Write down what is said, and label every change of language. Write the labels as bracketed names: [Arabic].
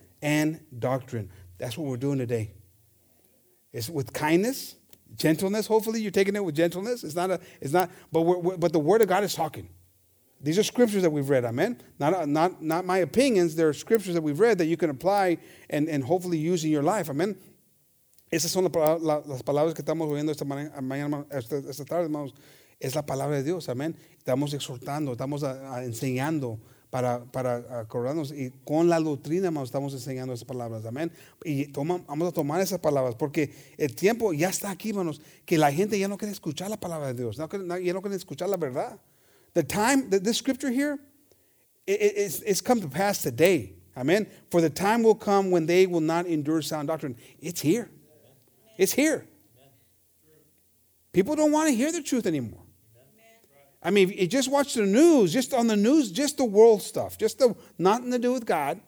[English] And doctrine. That's what we're doing today. It's with kindness, gentleness. Hopefully you're taking it with gentleness. But the word of God is talking. These are scriptures that we've read, amen? Not my opinions. They're scriptures that we've read that you can apply and hopefully use in your life, amen? [Spanish] Esas son las palabras que estamos oyendo esta mañana, esta tarde, hermanos. Es la palabra de Dios, amen? Estamos exhortando, estamos enseñando. Para acordarnos y con la doctrina, hermanos, estamos enseñando esas palabras, amén. Y vamos a tomar esas palabras porque el tiempo ya está aquí, hermanos, que la gente ya no quiere escuchar la palabra de Dios, ya no quiere escuchar la verdad. [English] This scripture here, it's come to pass today, amén. For the time will come when they will not endure sound doctrine. It's here. It's here. People don't want to hear the truth anymore. I mean, you just watch the news, just on the news, just the world stuff, just the nothing to do with God.